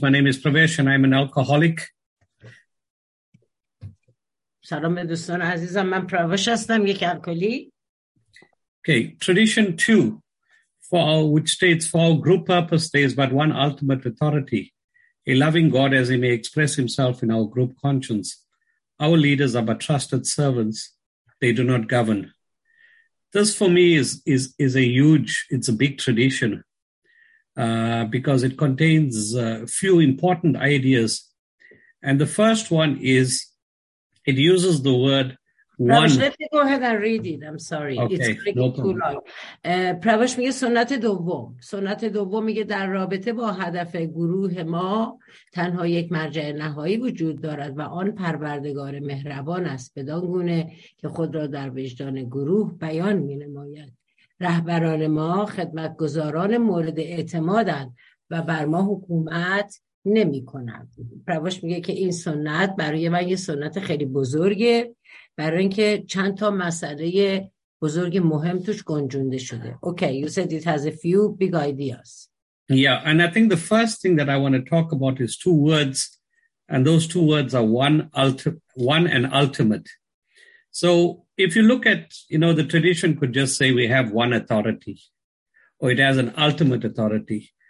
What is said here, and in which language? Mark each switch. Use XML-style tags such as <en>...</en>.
<en>My name is Pravesh and I'm an alcoholic.</en> <fa>سلام دوستان عزیزم، من پرواش هستم، یک الکلی.</fa> <en>Okay, tradition two, which states for group purpose there is but one ultimate authority, a loving God as he may express himself in our group conscience. Our leaders are but trusted servants. They do not govern. This for me is a huge, it's a big tradition because it contains a few important ideas. And the first one is, it uses the word one. Pravesh, let me go ahead and read it. I'm sorry. Okay, it's taking no too long.</en> <fa>Pravesh میگه سنت دوم. سنت دوم میگه در رابطه با هدف گروه ما تنها یک مرجع نهایی وجود دارد و آن پروردگار مهربان است، بدان گونه که خود را در وجدان گروه بیان می نماید. رهبران ما خدمتگزاران مورد اعتمادند و بر ما حکومت نمی کنند. پرواش میگه که این سنت برای من یه سنت خیلی بزرگه، برای اینکه چند تا مسئله بزرگ مهم توش گنجونده شده.</fa> <en>Okay, you said it has a few big ideas. Yeah, and I think the first thing that I want to talk about is two words, and those two words are one and ultimate. So if you look at, you know, the tradition could just say we have one authority, or it has an ultimate authority.</en>